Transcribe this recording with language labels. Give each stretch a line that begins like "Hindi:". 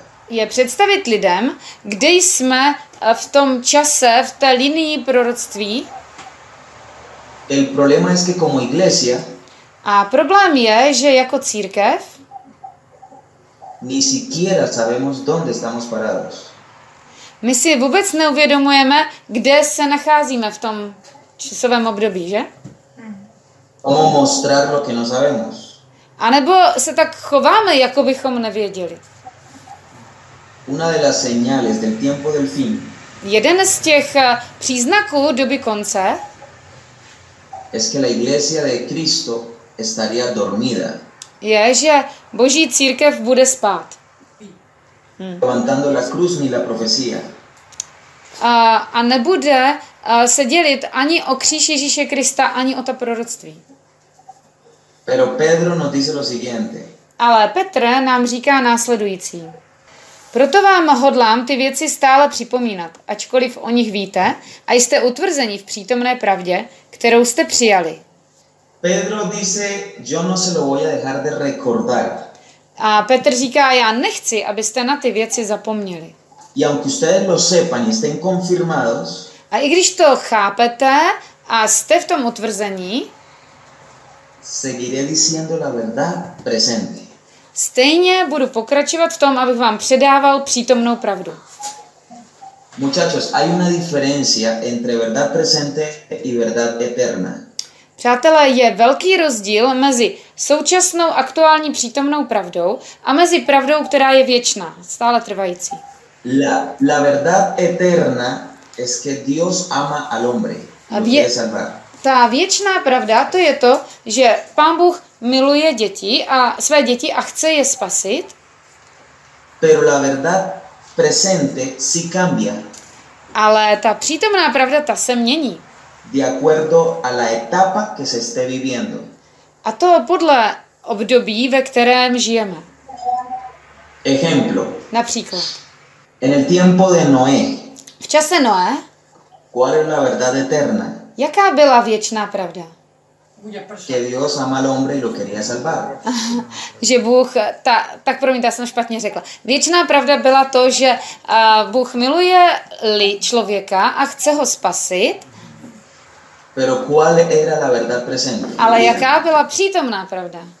Czech: Je představit lidem, kde jsme v tom čase, v té linii proroctví.
Spanish: El problema es que como iglesia.
Czech: A problém je, že jako církev.
Spanish: Ni siquiera sabemos dónde estamos parados.
Czech: My si vůbec neuvědomujeme, kde se nacházíme v tom časovém období, že?
Spanish: ¿Cómo mostrar lo que no sabemos?
Czech: A nebo se tak chováme, jako bychom nevěděli.
Spanish: Una de las señales del tiempo del fin.
Czech: Jeden z těch příznaků doby konce.
Spanish: Es que la iglesia de Cristo estaría dormida.
Czech: Je, že Boží církev bude spát.
Spanish: Levantando la cruz ni la profecía.
Czech: A nebude se dělit ani o kříž Ježíše Krista, ani o ta proroctví.
Spanish: Pero Pedro nos dice lo siguiente.
Czech: Ale Petr nám říká následující. Proto vám hodlám ty věci stále připomínat, ačkoliv o nich víte a jste utvrzeni v přítomné pravdě, kterou jste přijali.
Spanish: Pedro dice, yo no se lo voy a dejar de recordar.
Czech: A Petr říká, já nechci, abyste na ty věci zapomněli.
Spanish: Y aunque ustedes lo sepan y estén confirmados.
Czech: A i když to chápete a jste v tom utvrzení,
Spanish: seguiré diciendo la verdad presente.
Czech: Stejně budu pokračovat v tom, abych vám předával přítomnou pravdu.
Spanish: Muchachos, hay una diferencia entre verdad presente y verdad eterna.
Czech: Přátelé, je velký rozdíl mezi současnou aktuální přítomnou pravdou a mezi pravdou, která je věčná, stále trvající.
Spanish: La verdad eterna es que Dios ama al hombre.
Czech: Ta věčná pravda to je to, že Pán Bůh miluje děti a své děti a chce je spasit.
Spanish: Pero la verdad presente si cambia.
Czech: Ale ta přítomná pravda ta se mění.
Spanish: De acuerdo a la etapa que se esté viviendo.
Czech: A to podle období, ve kterém žijeme.
Spanish: Ejemplo.
Czech: Například.
Spanish: En el tiempo de Noé.
Czech: V čase Noé.
Spanish: ¿Cuál es la verdad eterna?
Czech: Jaká byla věčná pravda?
Spanish: Que Dios ama al hombre y lo quería salvar.
Czech: Že Bůh, tak promiň, já jsem špatně řekla. Věčná pravda byla to, že Bůh miluje člověka a chce ho spasit.
Spanish: Pero ¿cuál era la verdad presente?
Czech: Ale jaká byla přítomná pravda?